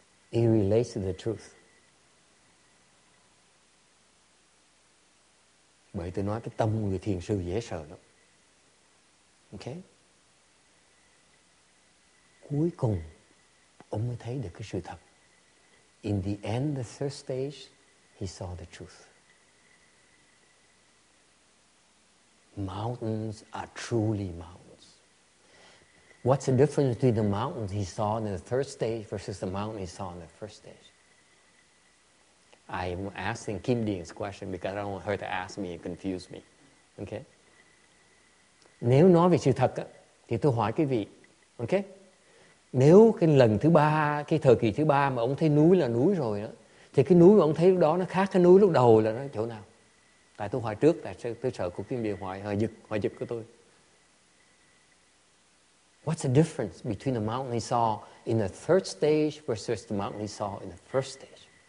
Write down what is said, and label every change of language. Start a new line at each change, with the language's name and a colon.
English: It relates to the truth.
Vietnamese: Bởi tôi nói cái tâm người thiền sư dễ sợ lắm.
English: Okay.
Vietnamese: Cuối cùng, ông mới thấy được cái sự thật.
English: In the end, the third stage, he saw the truth. Mountains are truly mountains. What's the difference between the mountains he saw in the third stage versus the mountain he saw in the first stage? I'm asking Kim Dien's question because I don't want her to ask me and confuse me. Okay?
Vietnamese: Nếu nói về sự thật á, thì tôi hỏi quý vị, ok? Nếu cái lần thứ ba, cái thời kỳ thứ ba mà ông thấy núi là núi rồi đó, thì cái núi mà ông thấy lúc đó nó khác cái núi lúc đầu là nó chỗ nào? Tại tôi hỏi trước, tại tôi sợ cuộc kiếm điện hỏi, hỏi giật của tôi.
English: What's the difference between the mountain he saw in the third stage versus the mountain he saw in the first stage?